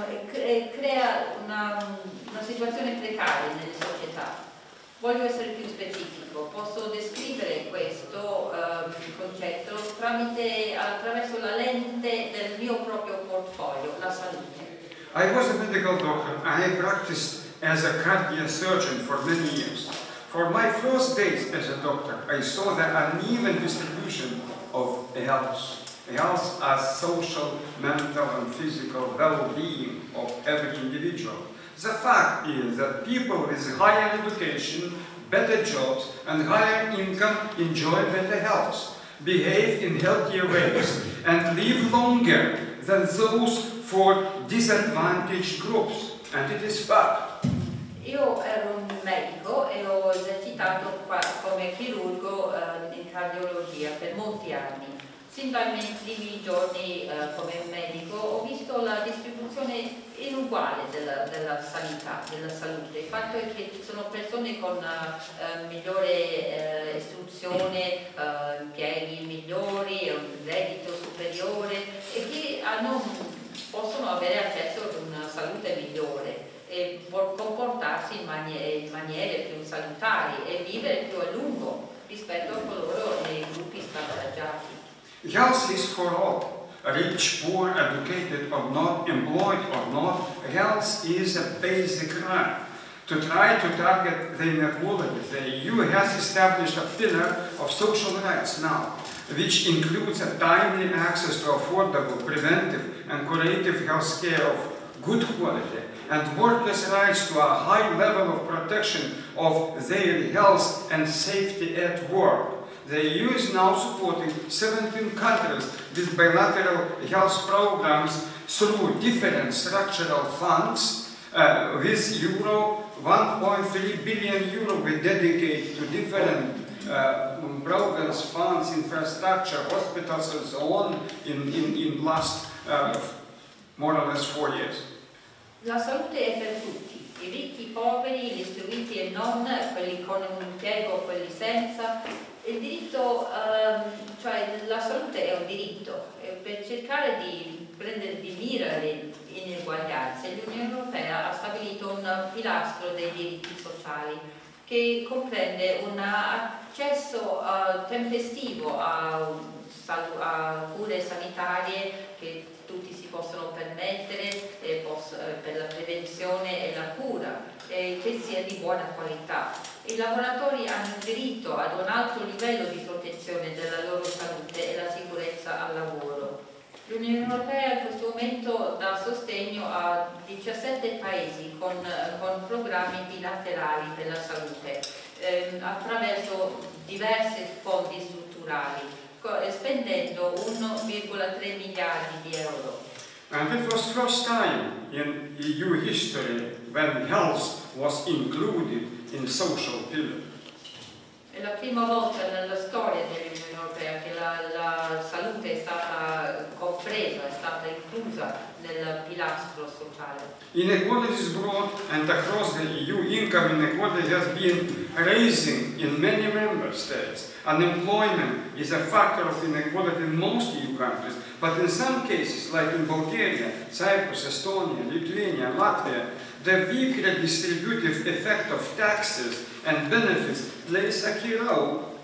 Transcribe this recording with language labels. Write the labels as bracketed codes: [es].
[it] Crea una situazione precaria nelle società. Voglio essere più specifico. Posso descrivere questo concetto attraverso la lente del mio proprio portfolio, la salute. [en] I was a medical doctor. I have practiced as a cardiac surgeon for many years. For my first days as a doctor, I saw the uneven distribution of health. Health as social, mental and physical well-being of every individual. The fact is that people with higher education, better jobs and higher income enjoy better health, behave in healthier ways and live longer than those for disadvantaged groups. And it is fact. [it] Io ero un medico e ho esercitato qua come chirurgo in cardiologia per molti anni. Sin dai miei primi giorni come medico ho visto la distribuzione inuguale della sanità, della salute. Il fatto è che ci sono persone con migliore istruzione, impieghi migliori, un reddito superiore e che possono avere accesso ad una salute migliore e comportarsi in maniere più salutari e vivere più a lungo rispetto a coloro nei gruppi svantaggiati. [en] Health is for all, rich, poor, educated or not, employed or not, health is a basic right. To try to target the inequality, the EU has established a pillar of social rights now, which includes a timely access to affordable, preventive and curative health care of good quality and workers' rights to a high level of protection of their health and safety at work. The EU is now supporting 17 countries with bilateral health programs through different structural funds. With euro 1.3 billion euro we dedicate to different programs, funds, infrastructure, hospitals and so on in last more or less 4 years. [it] La salute è per tutti, i ricchi, i poveri, gli istruiti e non, quelli con un impiego, quelli senza. Il diritto, cioè la salute è un diritto, e per cercare di prendere di mira le ineguaglianze, l'Unione Europea ha stabilito un pilastro dei diritti sociali che comprende un accesso tempestivo a cure sanitarie che tutti si possono permettere per la prevenzione e la cura, e che sia di buona qualità. I lavoratori hanno diritto ad un alto livello di protezione della loro salute e la sicurezza al lavoro. L'Unione Europea in questo momento dà sostegno a 17 paesi con programmi bilaterali per la salute attraverso diversi fondi strutturali, spendendo 1,3 miliardi di euro. [en] And it was first time in EU history when health was included in social pillar. [it] È la prima volta nella storia dell'Unione Europea che la salute è stata compresa, è stata inclusa nel pilastro sociale. [en] Inequality is broad and across the EU, income inequality has been rising in many member states. Unemployment is a factor of inequality in most EU countries, but in some cases, like in Bulgaria, Cyprus, Estonia, Lithuania, Latvia, the weak redistributive effect of taxes and benefits plays a key role.